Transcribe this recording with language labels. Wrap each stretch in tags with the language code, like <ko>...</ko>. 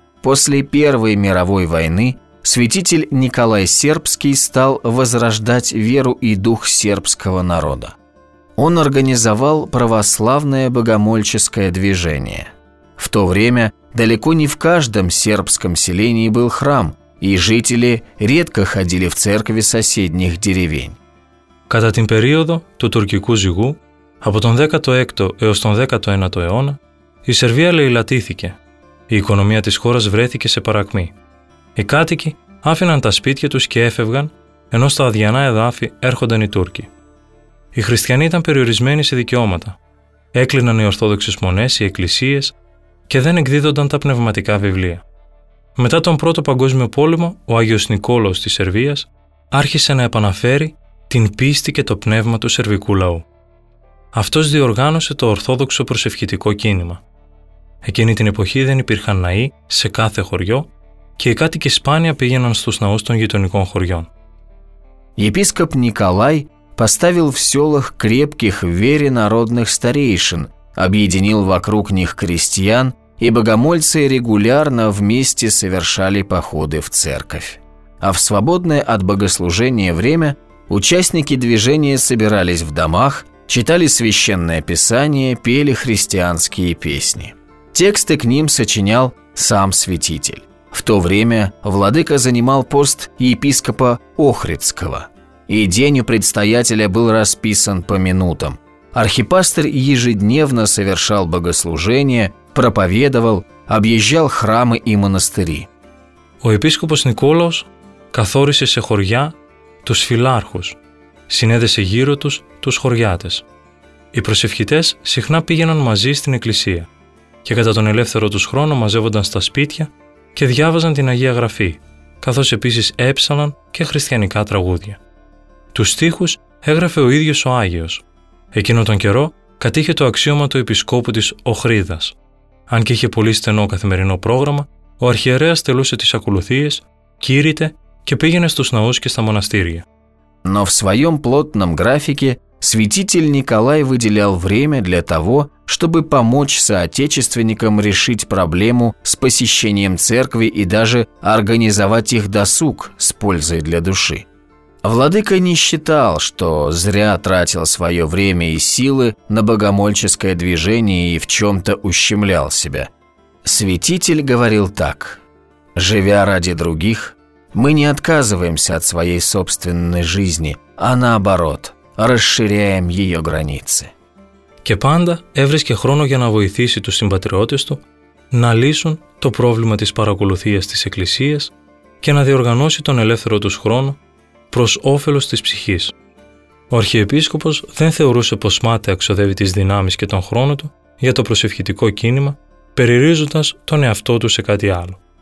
<ru>После Первой мировой войны святитель Николай Сербский стал возрождать веру и дух сербского народа. Он организовал православное богомольческое движение. В то время далеко не в каждом сербском селении был храм, и жители редко ходили в церкви соседних деревень.</ru> <el>Κατά την περίοδο του τουρκικού ζυγού, από τον 16ο έως τον 19ο αιώνα, η Σερβία λαϊλατήθηκε. Η οικονομία της χώρας βρέθηκε σε παρακμή. Οι κάτοικοι άφηναν τα σπίτια τους και έφευγαν, ενώ στα αδειανά εδάφη έρχονταν οι Τούρκοι. Οι χριστιανοί ήταν περιορισμένοι σε δικαιώματα. Έκλειναν οι ορθόδοξες μονές, οι εκκλησίες και δεν εκδίδονταν τα πνευματικά βιβλία. Μετά τον Πρώτο Παγκόσμιο Πόλεμο, ο Άγιος Νικόλαος της Σερβίας άρχισε να επαναφέρει την πίστη και το πνεύμα του σερβικού λαού. Αυτός διοργάνωσε το Ορθόδοξο Προσευχητικό Κίνημα. Εκείνη την εποχή δεν υπήρχαν ναοί σε κάθε χωριό και οι κάτοικοι σπάνια πήγαιναν στους ναούς των γειτονικών χωριών.</el> <ru>Епископ Николай поставил в селах крепких в вере народных старейшин, объединил вокруг них крестьян, и богомольцы регулярно вместе совершали походы в церковь. А в свободное от богослужения время участники движения собирались в домах, читали священное писание, пели христианские песни. Тексты к ним сочинял сам святитель. В то время владыка занимал пост епископа Охридского. И день у предстоятеля был расписан по минутам. Архипастырь ежедневно совершал богослужения, проповедовал, объезжал храмы и монастыри.</ru> <el>Ο епископος Νικόλαος καθόρισε σε χωριά τους φιλάρχους, συνέδεσε γύρω τους τους χωριάτες. Οι προσευχητές συχνά πήγαιναν μαζί στην εκκλησία και κατά τον ελεύθερο τους χρόνο μαζεύονταν στα σπίτια και διάβαζαν την Αγία Γραφή, καθώς επίσης έψαλαν και χριστιανικά τραγούδια. Τους στίχους έγραφε ο ίδιος ο Άγιος. Εκείνο τον καιρό κατήχε το αξίωμα του επισκόπου της Οχρίδας. Αν και είχε πολύ στενό καθημερινό πρόγραμμα, ο αρχιερέας τελούσε τις ακολουθίες, κήρυτε και πήγαινε στους ναούς και στα μοναστήρια.</el> <ru>Но в своем плотном графике святитель Николай выделял время для того, чтобы помочь соотечественникам решить проблему с посещением церкви и даже организовать их досуг с пользой для души. Владыка не считал, что зря тратил свое время и силы на богомольческое движение и в чем-то ущемлял себя. Святитель говорил так: «Живя ради других, мы не отказываемся от своей собственной жизни, а наоборот, расширяем ее границы».</ru> <el>Και πάντα έβρισκε χρόνο για να βοηθήσει τους συμπατριώτες του να λύσουν το πρόβλημα της παρακολουθίας της Εκκλησίας και να διοργανώσει τον ελεύθερο τους χρόνο προς όφελος της ψυχής. Ο αρχιεπίσκοπος δεν θεωρούσε πως μάταια ξοδεύει τις δυνάμεις και τον χρόνο του για το προσευχητικό κίνημα, περιρίζοντας τον εαυτό του σε κάτι άλλο.</el>